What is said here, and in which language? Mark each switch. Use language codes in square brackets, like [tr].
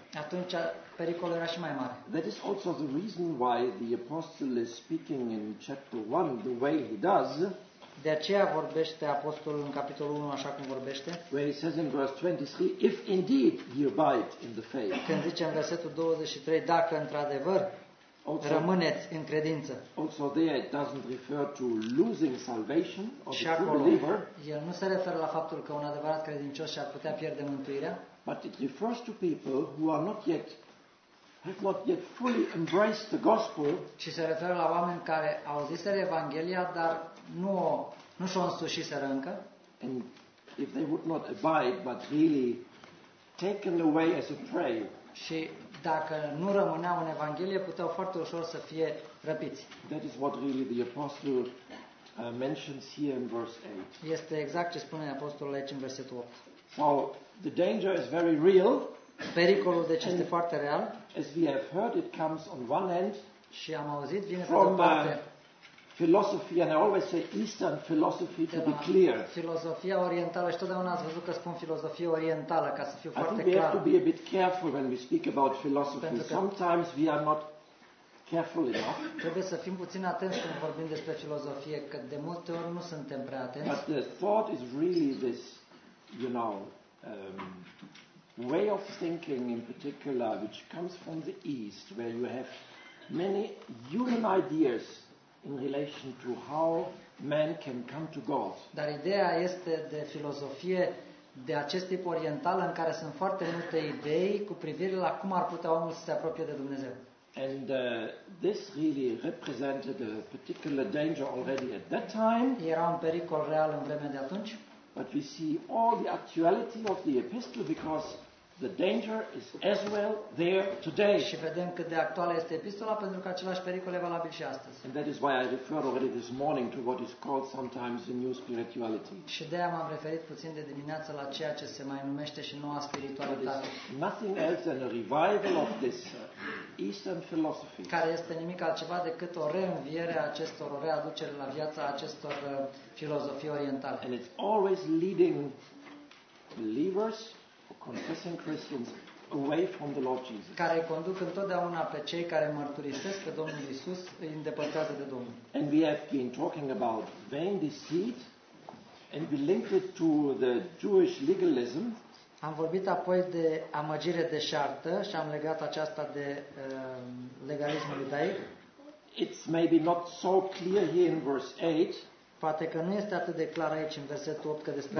[ro] Atunci pericolul era și mai mare. [en] That is also the reason why the apostle is speaking in chapter 1 the way he does. [ro] De aceea vorbește apostolul în capitolul 1 așa cum vorbește. [en] Where he says in verse 23, if indeed you abide in the faith. [ro] Când zice în versetul 23, dacă într-adevăr rămâneți în credință. [en] Also there it doesn't refer to losing salvation of a true believer. [ro] El nu se referă la faptul că un adevărat credincios și-ar putea pierde mântuirea. [en] But it refers to people who are not yet have not yet fully embraced the gospel. [ro] Ci se referă la oameni care auziseră Evanghelia, dar nu și-o însușiseră încă. [en] And if they would not abide, but really taken away as a prey. [ro] Și dacă nu rămâneau în Evanghelie, puteau foarte ușor să fie răpiți. [en] That is what really the apostle mentions here in verse 8. [ro] Este exact ce spune apostolul aici în versetul 8. [en] So, the danger is very real. [ro] Pericolul deci este foarte real. [en] As we have heard, it comes on one end. [ro] Și am auzit, vine [en] from [ro] pe parte. [en] Philosophy, and I always say Eastern philosophy to be clear. [ro] Filozofia orientală, și totdeauna ați văzut că spun filozofia orientală ca să fiu foarte clar. [en] I think we have to be a bit careful when we speak about philosophy. Sometimes we are not careful enough. [ro] Trebuie să fim puțin atenți când vorbim despre filozofie, că de multe ori nu suntem prea atenți. [en] But the thought is really this, you know, way of thinking in particular, which comes from the East, where you have many human ideas in relation to how man can come to God. [ro] Dar ideea este de filozofie de acest tip oriental în care sunt foarte multe idei cu privire la cum ar putea omul să se apropie de Dumnezeu. [en] And this really represented a particular danger already at that time. [ro] Era un pericol real în vremea de atunci. [en] But we see all the actuality of the epistle because the danger is as well there today. [ro] Și vedem cât de actuală este epistola pentru că același pericol e valabil și astăzi. [en] And that is why I refer already this morning to what is called sometimes the new spirituality. [ro] Și de aia m-am referit puțin de dimineață la ceea ce se mai numește și noua spiritualitate. [en] Nothing else than a revival of this Eastern philosophy. [ro] Care este nimic altceva decât o reînviere a acestor, o readucere la viață a acestor filozofii orientale. [en] And it's always leading believers, confessing Christians, away from the Lord Jesus. [ro] Care conduc întotdeauna pe cei care mărturisesc că Domnul Iisus îi îndepărtează de Domnul. [en] And we have been talking about vain deceit and we linked it to the Jewish legalism. [ro] Am vorbit apoi de amăgire de șartă și am legat aceasta de legalismul iudaic. [en] It's maybe not so clear here in verse 8. [ro] Poate că nu este atât de clar aici în versetul 8 că despre